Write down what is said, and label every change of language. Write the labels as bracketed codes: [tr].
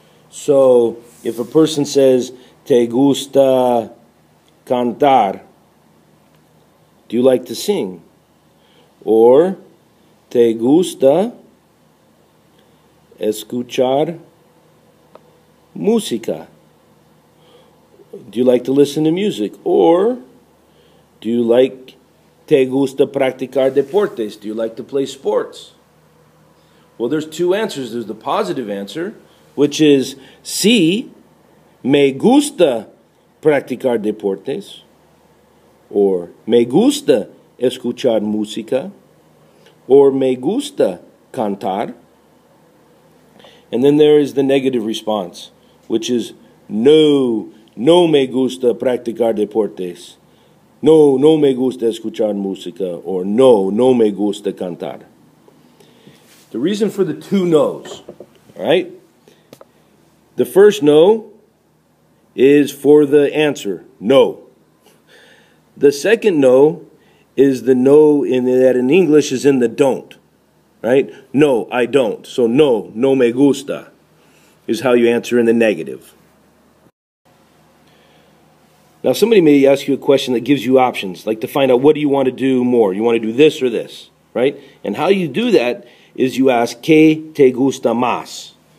[en] So, if a person says, [es] te gusta cantar, [en] do you like to sing? [es] Or, te gusta escuchar música? [en] Do you like to listen to music? Or do you like, [es] te gusta practicar deportes? [en] Do you like to play sports? Well, there's two answers. There's the positive answer, which is [es] sí, me gusta practicar deportes. Or me gusta escuchar música. Or me gusta cantar. And then there is the negative response, which is no, no me gusta practicar deportes. No, no me gusta escuchar música. Or no, no me gusta cantar. [en] The reason for the two no's, right? The first no is for the answer, no. The second no is the no in that in English is in the don't, right? No, I don't. So [es] no, no me gusta [en] is how you answer in the negative. Now, somebody may ask you a question that gives you options, like to find out what do you want to do more? You want to do this or this, right? And how you do that is you ask, [es] ¿qué te gusta más?